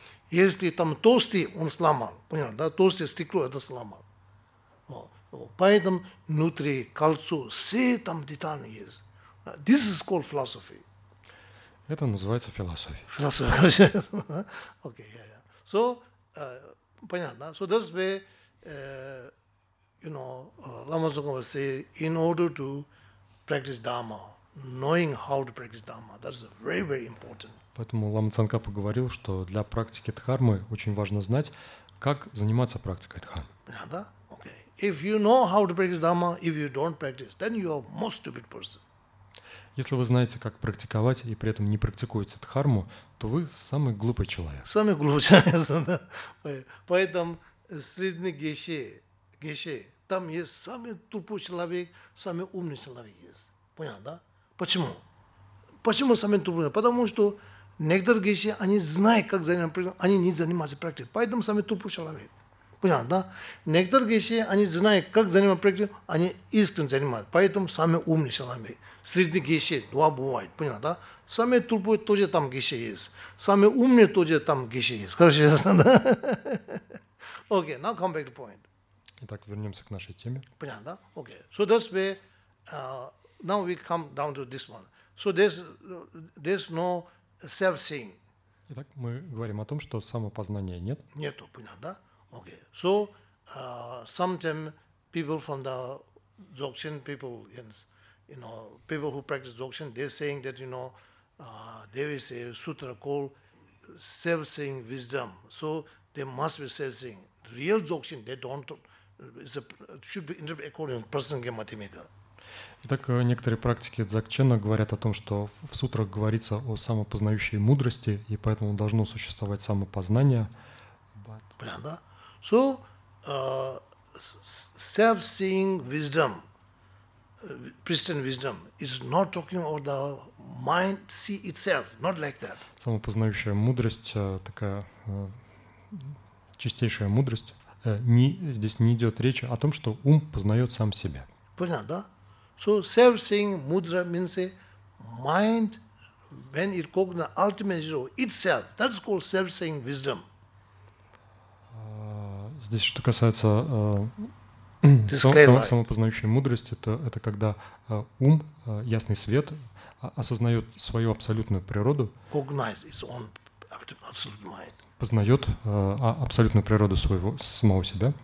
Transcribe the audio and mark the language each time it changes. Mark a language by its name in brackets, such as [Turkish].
[Russian] Если там толстый, он сломал. Понятно, да? Толстое стекло, это сломал. Поэтому внутри кольцо, все там детали есть. [English] This is called philosophy. [Russian] Это называется философия. Философия, хорошо. [English] Okay, yeah, yeah. So, [Russian] понятно. [English] So that's why, you know, Lama Tsongkhapa say, in order to practice Dharma, knowing how to practice Dharma, that's very, very important. [Russian] Поэтому Лама Цанкапа говорил, что для практики Дхармы очень важно знать, как заниматься практикой Дхармы. Понятно, да? [English] If you know how to practice Dhamma, if you don't practice, then you are most stupid person. [Russian] Если вы знаете, как практиковать, и при этом не практикуете Дхарму, то вы самый глупый человек. Самый глупый человек, да. Поэтому средний геше, геше, там есть самый тупой человек, самый умный человек есть. Понял, да? Почему? Почему самый тупой? Потому что некоторые геши, они знают, как заниматься практикой, они не занимаются практикой, поэтому самый тупой человек. Понял, да? Некоторые геши, они знают, как заниматься практикой, они искренне занимаются, поэтому самый умный человек. Средний геши, два бывает, понял, да? Самый тупой тоже там геши есть. Самый умный тоже там геши есть. Скажи, ясно, да? [English] Okay, now come back to point. [Russian] Итак, вернемся к нашей теме. Понятно, да? Okay. [English] So that's where, now we come down to this one. So there's no self-seeing. [Russian] Итак, мы говорим о том, что самопознания нет. Нету, понятно, да? Okay. [English] So, sometimes people from the Dzogchen people, you know, people who practice Dzogchen, they're saying that, you know, there is a sutra called self-seeing wisdom. So there must be self-seeing. Real Dzogchen, they don't, should be interpreted according to personal mathematics. [Russian] Итак, некоторые практики Дзогчена говорят о том, что в сутрах говорится о самопознающей мудрости, и поэтому должно существовать самопознание. Понятно, да? [English] So, self-seeing wisdom, pristine wisdom, is not talking about the mind see itself, not like that. [Russian] Самопознающая мудрость, такая чистейшая мудрость, не, здесь не идет речи о том, что ум познает сам себя. Понятно, да? [English] So self-seeing mudra means a mind when it cognizes the ultimate zero itself. That's called self-seeing wisdom. [Russian] Здесь что касается самопознающей мудрости, то это когда ум, ясный свет, осознает свою абсолютную природу. [English] Cognizes its own absolute mind. [Russian] Познает абсолютную природу своего самого себя.